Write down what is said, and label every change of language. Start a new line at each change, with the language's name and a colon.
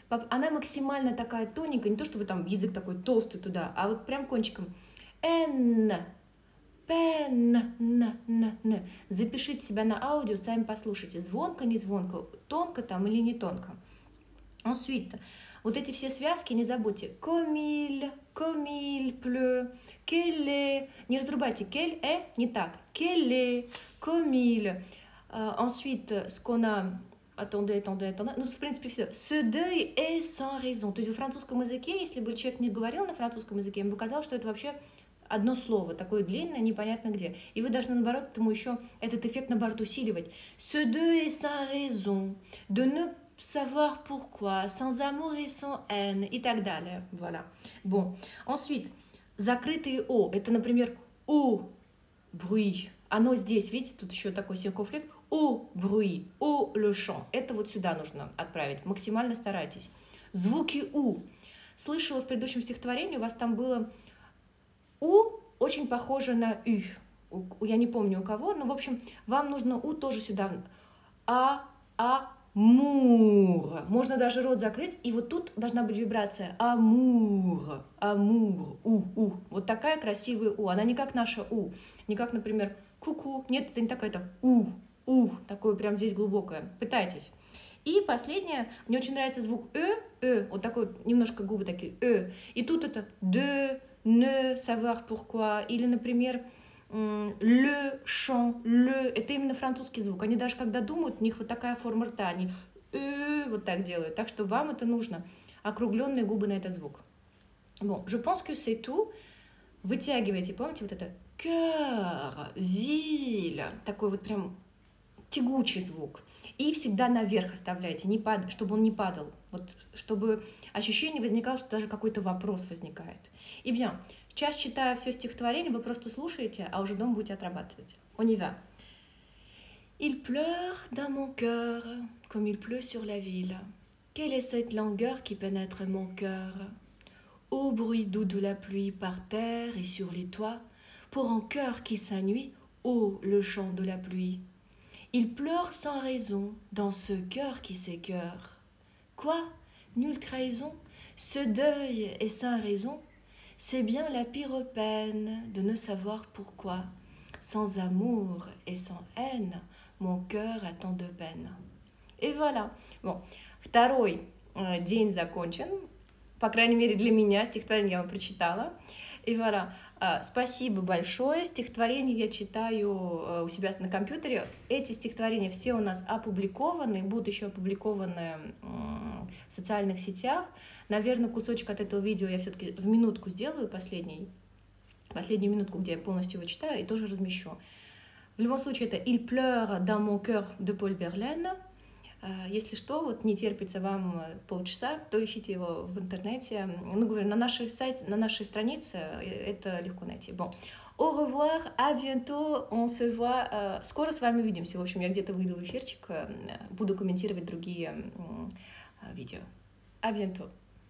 Russian: Она максимально такая тоненькая, не то, что вы там язык такой толстый туда, а вот прям кончиком. N, pen, n, n, n. Запишите себя на аудио, сами послушайте, звонко, не звонко, тонко там или не тонко.
French: Ensuite,
Russian: вот эти все связки не забудьте.
French: Comme il, comme il pleut, quel est,
Russian: не разрубайте,
French: quel est,
Russian: не так.
French: Quel est, comme il. Ensuite, ce qu'on a... Attendez, attendez, attendez.
Russian: Ну, в принципе, все.
French: Ce deuil est sans raison.
Russian: То есть в французском языке, если бы человек не говорил на французском языке, ему бы казалось, что это вообще одно слово, такое длинное, непонятно где. И вы должны, наоборот, этому еще этот эффект, наоборот, усиливать.
French: Ce deuil est sans raison. De ne savoir pourquoi. Sans amour et sans haine.
Russian: И так далее.
French: Voilà. Bon.
Russian: Ensuite, закрытые O. Это, например, O. Bruit. Оно здесь, видите, тут еще такой синкофлик.
French: Au bruit, au le chant.
Russian: Это вот сюда нужно отправить. Максимально старайтесь. Звуки у. Слышала в предыдущем стихотворении, у вас там было у очень похоже на ю. Я не помню у кого, но, в общем, вам нужно у тоже сюда. А-а-мур. Можно даже рот закрыть, и вот тут должна быть вибрация. Амур, амур, у-у. Вот такая красивая у. Она не как наша у. Не как, например, ку-ку. Нет, это не такая, это у. Ух, такое прям здесь глубокое. Пытайтесь. И последнее. Мне очень нравится звук «э», «э». Вот такой вот, немножко губы такие «э». И тут это
French: «de», «ne», «savoir pourquoi».
Russian: Или, например,
French: «le», «chant», «le».
Russian: Это именно французский звук. Они даже когда думают, у них вот такая форма рта. Они «э» вот так делают. Так что вам это нужно. Округленные губы на этот звук.
French: Bon, je pense que c'est tout.
Russian: Вытягивайте, помните, вот это «cœur», «ville». Такой вот прям... тягучий звук. И всегда наверх оставляйте, не пад... чтобы он не падал. Вот, чтобы ощущение возникало, что даже какой-то вопрос возникает. И bien, сейчас читаю все стихотворение, вы просто слушаете, а уже дома будете отрабатывать.
French: On y va. Il pleure dans mon cœur, comme il pleut sur la ville. Quelle est cette langueur qui pénètre mon cœur? Au bruit doux de la pluie par terre et sur les toits, pour un cœur qui s'ennuie, oh, le chant de la pluie. Il pleure sans raison dans ce cœur qui s'écœure. Quoi? Nulle trahison? Ce deuil est sans raison? C'est bien la pire peine de ne savoir pourquoi. Sans amour et sans haine, mon cœur a tant de peine. Et voilà.
Russian: Bon, второй день закончен. По крайней мере, для меня стихотворение я вам прочитала. И voilà. Спасибо большое. Стихотворение я читаю у себя на компьютере. Эти стихотворения все у нас опубликованы, будут еще опубликованы в социальных сетях. Наверное, кусочек от этого видео я все-таки в минутку сделаю, последнюю минутку, где я полностью его читаю, и тоже размещу. В любом случае, это «Il pleure dans mon cœur» de Paul Verlaine. Если что, вот не терпится вам полчаса, то ищите его в интернете. Ну, говорю, на нашей сайте, на нашей странице это легко найти.
French: Bon. Au revoir, à bientôt, on se voit.
Russian: Скоро с вами увидимся. В общем, я где-то выйду в эфирчик, буду комментировать другие видео.
French: À bientôt.